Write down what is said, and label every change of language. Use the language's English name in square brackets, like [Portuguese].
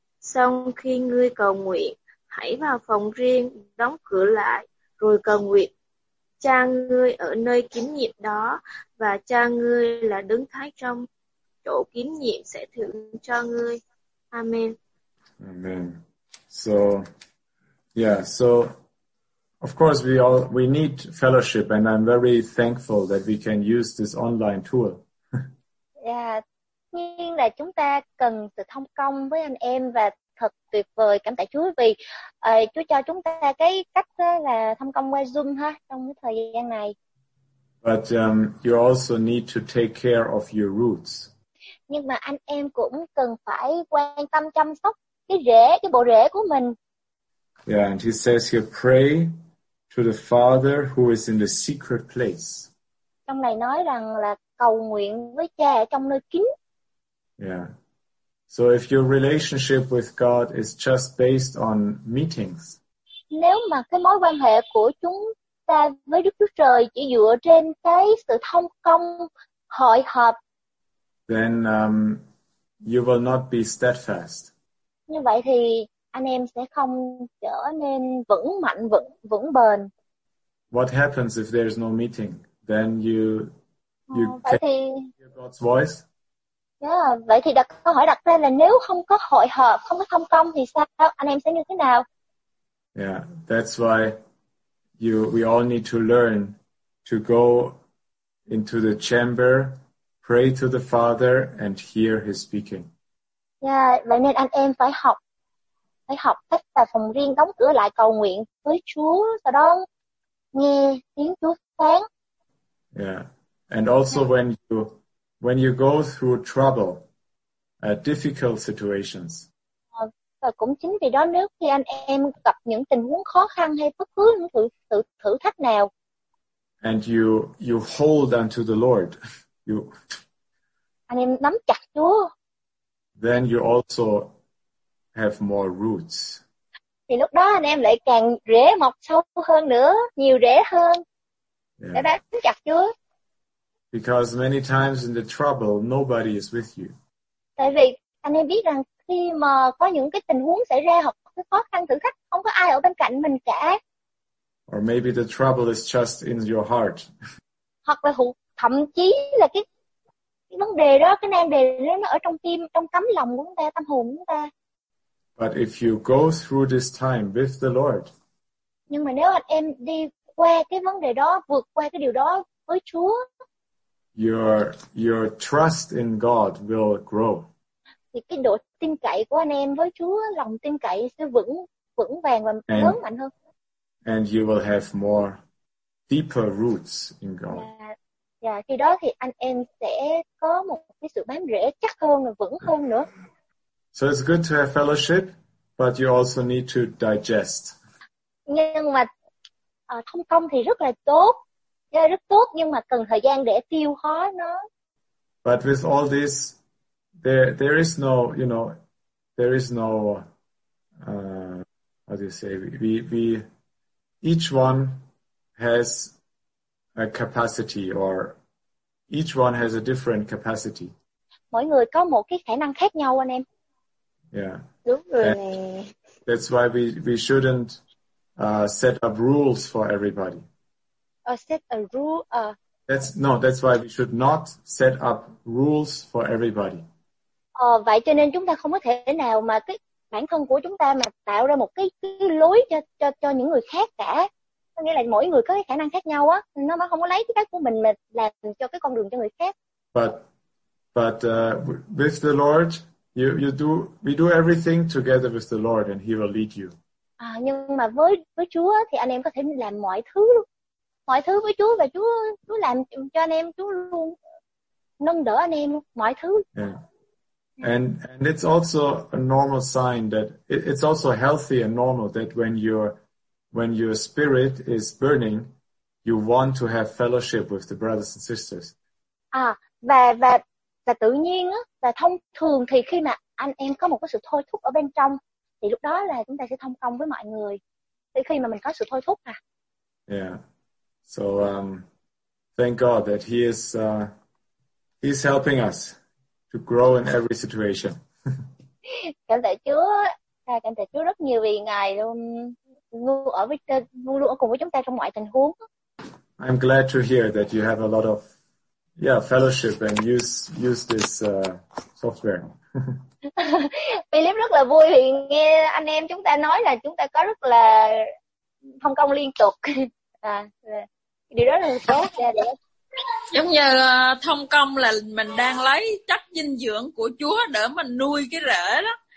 [Vietnamese] Xong khi ngươi cầu nguyện, hãy vào phòng riêng, đóng cửa lại, rồi cầu nguyện cha ngươi ở nơi kín nhiệm đó, và cha ngươi là đứng thái trong chỗ kín nhiệm sẽ thưởng cho ngươi. Amen. Amen. [English] So, yeah, so, of course, we need fellowship, and I'm very thankful that we can use this online tool. Yeah. [Vietnamese] Nhiên là chúng ta cần sự thông công với anh em và thật tuyệt vời, cảm tạ Chúa vì Chúa cho chúng ta cái cách là thông công qua Zoom ha trong cái thời gian này. [English] But you also need to take care of your roots. [Vietnamese] Nhưng mà anh em cũng cần phải quan tâm chăm sóc cái rễ, cái bộ rễ của mình. [English] Yeah, and he says here, pray to the Father who is in the secret place. [Vietnamese] trong này nói rằng là cầu nguyện với cha ở trong nơi kín. Yeah. [English] So if your relationship with God is just based on meetings. [Vietnamese] Nếu mà cái mối quan hệ của chúng ta với Đức Chúa Trời chỉ dựa trên cái sự thông công hội họp, [English] then you will not be steadfast. [Vietnamese] Như vậy thì anh em sẽ không trở nên vững mạnh, vững vững bền. [English] What happens if there's no meeting? Then you can't hear God's voice. [Vietnamese] Yeah, vậy thì đặt câu hỏi đặt ra là nếu không có hội họp, không có thông công thì sao? Anh em sẽ như thế nào? [English] Yeah, that's why we all need to learn to go into the chamber, pray to the Father and hear his speaking. [Vietnamese] Yeah, vậy nên anh em phải học cách vào phòng riêng, đóng cửa lại, cầu nguyện với Chúa, sau đó nghe tiếng Chúa phán. Yeah. [English] And also when you go through trouble, difficult situations. [Vietnamese] Và cũng chính vì đó, nếu khi anh em gặp những tình huống khó khăn hay bất cứ những thử thách nào, [English] and you hold unto the Lord, you [Vietnamese] anh em nắm chặt Chúa, [English] then you also have more roots. [Vietnamese] Thì lúc đó anh em lại càng rễ mọc sâu hơn nữa, nhiều rễ hơn. Yeah. Để nắm chặt Chúa. [English] Because many times in the trouble, nobody is with you. [Vietnamese] Tại vì anh em biết rằng khi mà có những cái tình huống xảy ra hoặc cái khó khăn thử thách, không có ai ở bên cạnh mình cả. [English] Or maybe the trouble is just in your heart. [Vietnamese] Hoặc là thậm chí là cái vấn đề đó, cái nan đề đó nó ở trong tim, trong tấm lòng của chúng ta, tâm hồn của chúng ta. [English] But if you go through this time with the Lord. [Vietnamese] Nhưng mà nếu anh em đi qua cái vấn đề đó, vượt qua cái điều đó với Chúa, [English] Your trust in God will grow. [Vietnamese] Thì cái độ tin cậy của anh em với Chúa, lòng tin cậy sẽ vững vàng và lớn mạnh hơn. [English] And you will have more deeper roots in God. [Vietnamese] Yeah, khi đó thì anh em sẽ có một cái sự bám rễ chắc hơn và vững hơn nữa. [English] So it's good to have fellowship, but you also need to digest. [Vietnamese] Nhưng mà thông công thì rất là tốt. Yeah, rất tốt, nhưng mà cần thời gian để tiêu hóa nó. [English] But with all this, there is no, you know, there is no, how do you say, we each one has a capacity, or each one has a different capacity. [Vietnamese] Mỗi người có một cái khả năng khác nhau, anh em. Yeah. Đúng rồi. [English] And that's why we shouldn't set up rules for everybody. That's why we should not set up rules for everybody. [Vietnamese] Vậy cho nên chúng ta không có thể nào mà cái bản thân của chúng ta mà tạo ra một cái lối cho những người khác cả. Có nghĩa là mỗi người có cái khả năng khác nhau á, nó mà không có lấy cái cách của mình mà làm cho cái con đường cho người khác. [English] But with the Lord, we do everything together with the Lord, and He will lead you. [Vietnamese] Nhưng mà với Chúa thì anh em có thể làm mọi thứ luôn. Mọi thứ với Chúa, và Chúa làm cho anh em, Chúa luôn nâng đỡ anh em mọi thứ. Yeah. [English] And it's also a normal sign that it's also healthy and normal that when your spirit is burning, you want to have fellowship with the brothers and sisters. [Vietnamese] Và tự nhiên á, và thông thường thì khi mà anh em có một cái sự thôi thúc ở bên trong, thì lúc đó là chúng ta sẽ thông công với mọi người. Thì khi mà mình có sự thôi thúc à. [English] Yeah. So thank God that He is He's helping us to grow in every situation. [Vietnamese] Cảm tạ Chúa, cảm tạ Chúa rất nhiều vì Ngài luôn ở cùng với chúng ta trong mọi tình huống. [English] I'm glad to hear that you have a lot of fellowship and use this software. [Vietnamese] Philip rất là vui vì nghe anh em chúng ta nói là chúng ta có rất là thông công liên tục. Điều đó là tốt. Giống như thông công là mình đang lấy chất dinh dưỡng của Chúa để mình nuôi cái rễ đó.